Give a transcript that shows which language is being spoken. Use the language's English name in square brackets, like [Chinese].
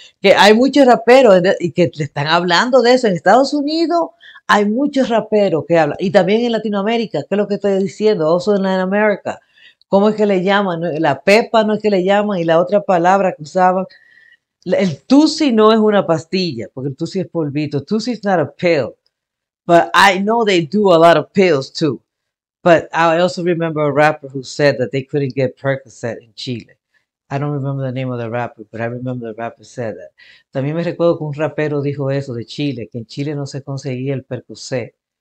[Spanish] Que hay muchos raperos y que le están hablando de eso. En Estados Unidos hay muchos raperos que hablan. Y también en Latinoamérica, ¿qué es lo que estoy diciendo? [English] Also in Latin America. [Spanish] ¿Cómo es que le llaman? La pepa no es que le llaman, y la otra palabra que usaban. El tusi no es una pastilla, porque el tusi es polvito. [English] Tusi is not a pill. But I know they do a lot of pills too. But I also remember a rapper who said that they couldn't get Percocet in Chile. I don't remember the name of the rapper, but I remember the rapper said that. [Spanish] También me recuerdo que un rapero dijo eso de Chile, que en Chile no se conseguía el Percocet.